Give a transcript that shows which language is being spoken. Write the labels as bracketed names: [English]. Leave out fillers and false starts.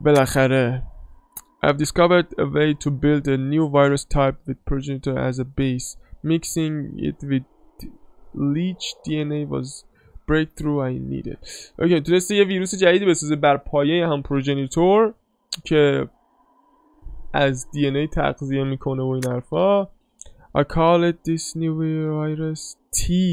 [Persian] بالاخره [English] I've discovered a way to build a new virus type with progenitor as a base. Mixing it with leech DNA was breakthrough I needed. [Persian] Okay, تونست یه ویروس جدیدی بسازه بر پایه هم پروژنیتور که از DNA تغذیه میکنه و این حرفا. [English] I call it this new virus T.